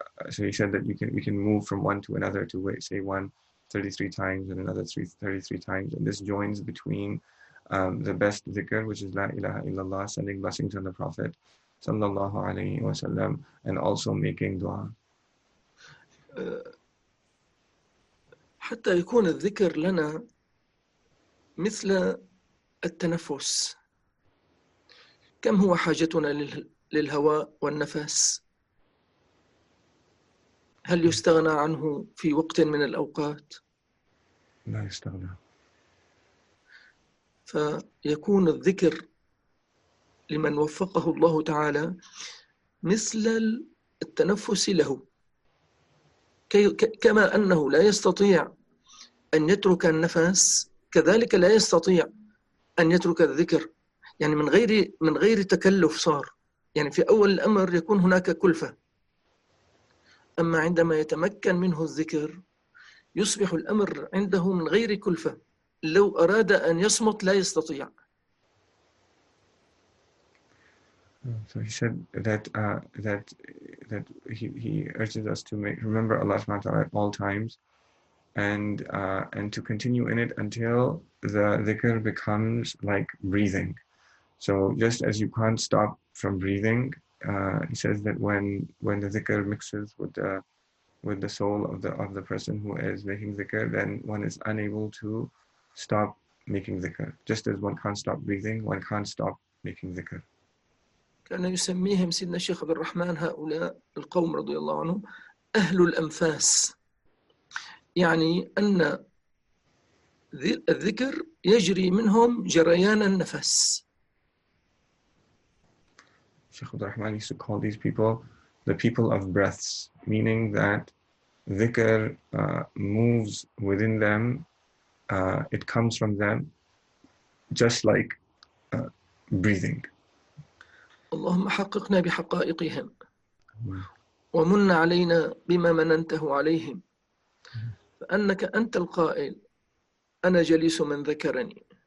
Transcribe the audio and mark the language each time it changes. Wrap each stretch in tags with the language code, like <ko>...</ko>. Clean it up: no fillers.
<en>So he said that we can move from one to another, to wait, say one 33 times and another 33 times, and this joins between the best dhikr, which is La ilaha illallah, sending blessings on the Prophet sallallahu alayhi wa sallam, and also making dua.</en> <ar>حتى يكون الذكر لنا مثل التنفس، كم هو حاجتنا للهواء والنفس؟ هل يستغنى عنه في وقت من الأوقات؟ لا يستغنى. فيكون الذكر لمن وفقه الله تعالى مثل التنفس له، كما أنه لا يستطيع أن يترك النفس، كذلك لا يستطيع أن يترك الذكر، يعني من غير تكلف صار، يعني في أول الأمر يكون هناك كلفة، أما عندما يتمكن منه الذكر يصبح الأمر عنده من غير كلفة، لو أراد أن يصمت لا يستطيع.</ar> <en>So he said that that he urges us to remember Allah subhanahu wa ta'ala at all times, and to continue in it until the dhikr becomes like breathing. So just as you can't stop from breathing, he says that when the dhikr mixes with the soul of the person who is making dhikr, then one is unable to stop making dhikr. Just as one can't stop breathing, one can't stop making dhikr.</en> <ar>كان يسميهم سيدنا الشيخ عبد الرحمن هؤلاء القوم رضي الله عنهم أهل الأنفاس، يعني أن الذكر يجري منهم جريان النفس.</ar> <en>الشيخ عبد الرحمن used to call these people the people of breaths, meaning that dhikr moves within them, it comes from them just like breathing.</en> <ar>اللهم حققنا بحقائقهم ومن علينا بما مننته عليهم، فأنك أنت القائل أنا جليس من ذكرني.</ar>